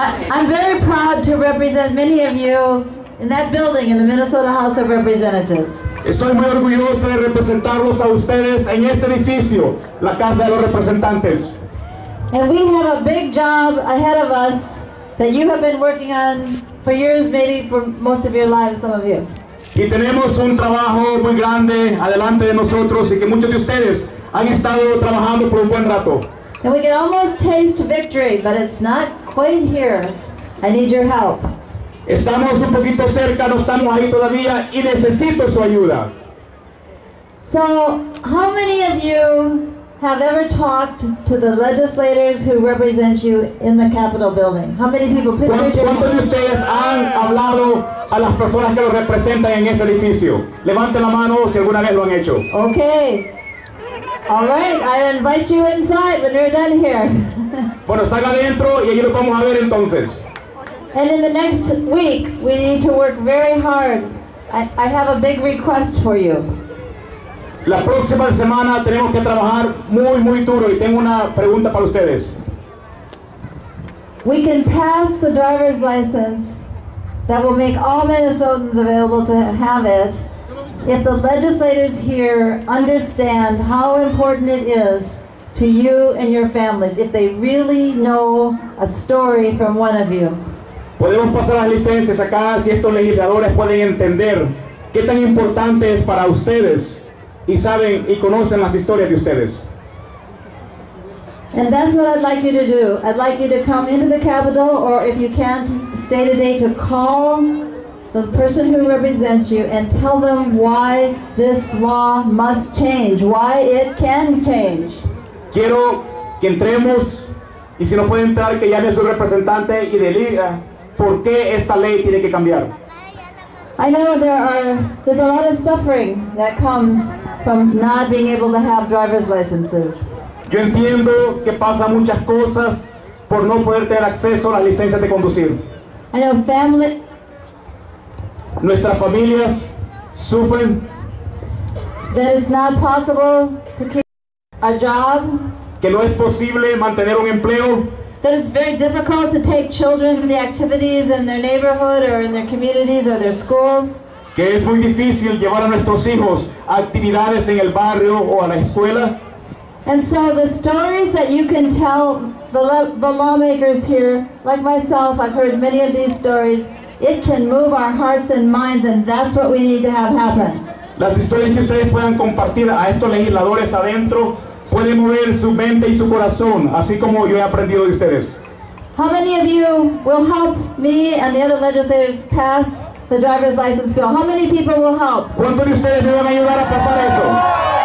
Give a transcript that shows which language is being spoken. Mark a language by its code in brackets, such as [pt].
[en] I'm very proud to represent many of you in that building in the Minnesota House of Representatives. [es] Estoy muy orgulloso de representarlos a ustedes en este edificio, la Casa de los Representantes. [en] And we have a big job ahead of us that you have been working on for years, maybe for most of your lives, some of you. [es] Y tenemos un trabajo muy grande adelante de nosotros y que muchos de ustedes han estado trabajando por un buen rato. [en] And we can almost taste victory, but it's not quite here. I need your help. [es] Estamos un poquito cerca, no estamos ahí todavía y necesito su ayuda. [en] So, how many of you have ever talked to the legislators who represent you in the Capitol building? How many people? Please raise your hand. [es] ¿Cuántos de ustedes han hablado a las personas que lo representan en ese edificio? Levante la mano si alguna vez lo han hecho. [en] Okay. All right, I invite you inside when you're done here. [es] Bueno, salga adentro y allí lo vamos a ver entonces. [en] And in the next week, we need to work very hard. I have a big request for you. [es] La próxima semana tenemos que trabajar muy, muy duro y tengo una pregunta para ustedes. [en] We can pass the driver's license that will make all Minnesotans available to have it if the legislators here understand how important it is to you and your families, if they really know a story from one of you. [es] Podemos pasar las licencias acá si estos legisladores pueden entender qué tan importante es para ustedes y saben y conocen las historias de ustedes. [en] And that's what I'd like you to do. I'd like you to come into the Capitol, or if you can't stay today, to call the person who represents you and tell them why this law must change, why it can change. [es] Quiero que entremos y si no puede entrar, que llame a su representante y diga por qué esta ley tiene que cambiar. [en] I know there's a lot of suffering that comes from not being able to have driver's licenses. [es] Yo entiendo que pasa muchas cosas por no poder tener acceso a las licencias de conducir. [en] I know families. [es] Nuestras familias sufren. [en] That it's not possible to keep a job. [es] Que no es posible mantener un empleo. [en] That it's very difficult to take children to the activities in their neighborhood or in their communities or their schools. [es] Que es muy difícil llevar a nuestros hijos a actividades en el barrio o a la escuela. [en] And so the stories that you can tell the lawmakers here, like myself, I've heard many of these stories, it can move our hearts and minds, and that's what we need to have happen. [es] Las historias que ustedes puedan compartir a estos legisladores adentro pueden mover su mente y su corazón, así como yo he aprendido de ustedes. [en] How many of you will help me and the other legislators pass the driver's license bill? How many people will help? [es] ¿Cuántos de ustedes me van a ayudar a pasar eso?